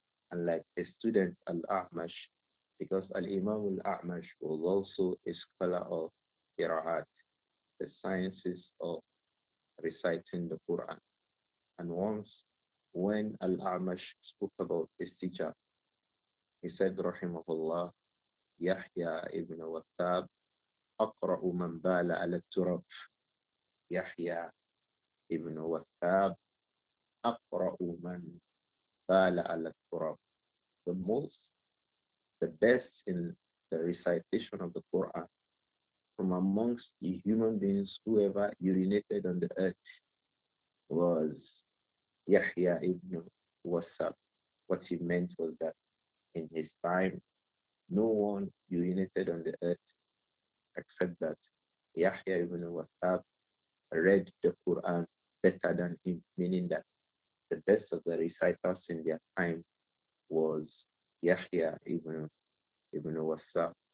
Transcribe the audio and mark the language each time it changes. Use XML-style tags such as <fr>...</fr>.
<en>And like his student Al-A'mash, because Al-Imam Al-A'mash was also a scholar of Qira'at, the sciences of reciting the Qur'an. And once, when Al-A'mash spoke about his teacher, he said, rahimahullah, Yahya ibn Wattab,</en> <ar>أَقْرَأُ مَنْ بَالَ عَلَى التُّرَبِ. Yahya ibn Wattab, أَقْرَأُ مَنْ بَالَ عَلَى التُّرَبِ.</ar> <en>The most, the best in the recitation of the Qur'an from amongst the human beings, whoever urinated on the earth, was Yahya ibn Wassab. What he meant was that in his time, no one urinated on the earth except that Yahya ibn Wassab read the Quran better than him, meaning that the best of the reciters in their time was Yahya ibn Wassab.</en>